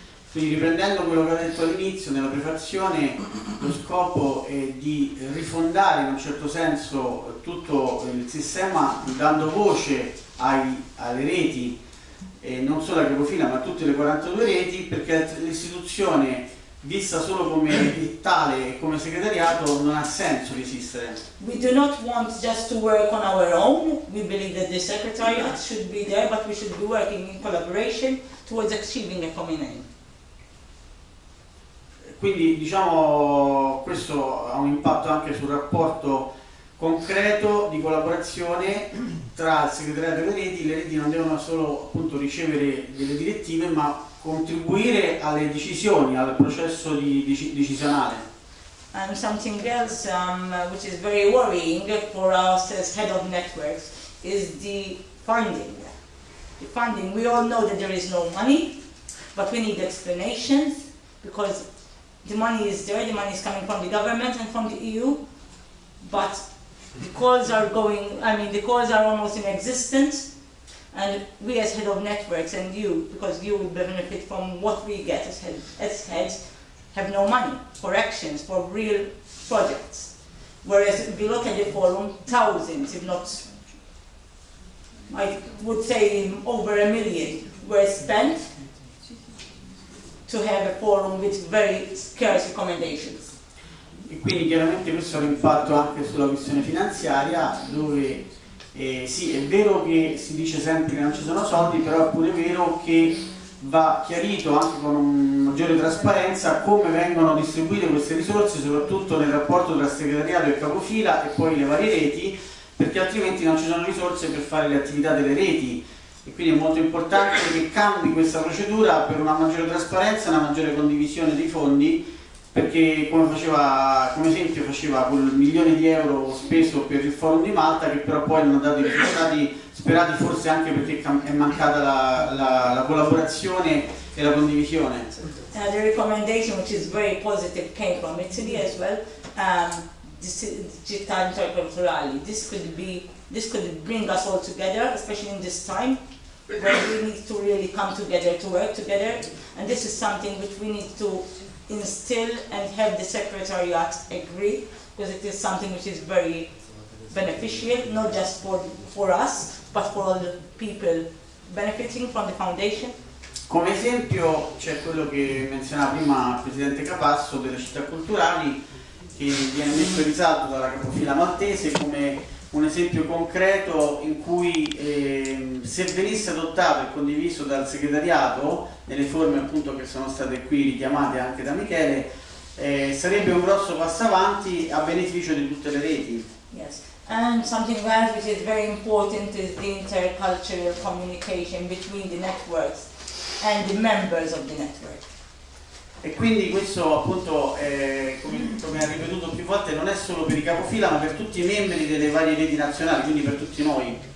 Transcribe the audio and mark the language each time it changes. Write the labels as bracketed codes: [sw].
[it] Quindi riprendendo quello che ho detto all'inizio, nella prefazione, lo scopo è di rifondare in un certo senso tutto il sistema, dando voce alle reti, non solo a Capofila, ma a tutte le 42 reti, perché l'istituzione, vista solo come tale e come segretariato, non ha senso di esistere. [en] We do not want just to work on our own. We believe that the secretariat should be there, but we should be working in collaboration towards achieving a common aim. [it] Quindi, diciamo, questo ha un impatto anche sul rapporto concreto di collaborazione tra il segretariato e le reti non devono solo appunto ricevere delle direttive, ma contribuire alle decisioni, al processo di decisionale. [en] And something else which is very worrying for us as head of networks is the funding. The funding, we all know that there is no money, but we need explanations, because the money is there, the money is coming from the government and from the EU, but the calls are going, I mean, the calls are almost in existence, and we as head of networks and you, because you will benefit from what we get as heads, have no money for actions, for real projects. Whereas if you look at the forum, thousands, if not, I would say over a million were spent to have a forum with very scarce recommendations. [it] E quindi chiaramente questo ha un impatto anche sulla questione finanziaria, dove sì, è vero che si dice sempre che non ci sono soldi, però è pure vero che va chiarito anche con maggiore trasparenza come vengono distribuite queste risorse, soprattutto nel rapporto tra segretariato e capofila e poi le varie reti, perché altrimenti non ci sono risorse per fare le attività delle reti. E quindi è molto importante che cambi questa procedura per una maggiore trasparenza, una maggiore condivisione dei fondi, perché come faceva, come esempio faceva quel milione di euro speso per il forum di Malta, che però poi non ha dato i risultati sperati, forse anche perché è mancata la collaborazione e la condivisione. [en] The recommendation which is very positive came from Italy as well, Città Interculturali. This could bring us all together, especially in this time where we need to really come together to work together, and this is something which we need to instill and have the secretariat agree, because it is something which is very beneficial, not just for us, but for all the people benefiting from the foundation. [it] Come esempio c'è quello che menzionava prima il presidente Capasso delle città culturali, che viene messo in risalto dalla capofila maltese come un esempio concreto in cui se venisse adottato e condiviso dal segretariato nelle forme appunto che sono state qui richiamate anche da Michele, sarebbe un grosso passo avanti a beneficio di tutte le reti. [en] Yes, and something else which is very important is the intercultural communication between the networks and the members of the network. [it] E quindi questo appunto, come ha ripetuto più volte, non è solo per i capofila ma per tutti i membri delle varie reti nazionali, quindi per tutti noi.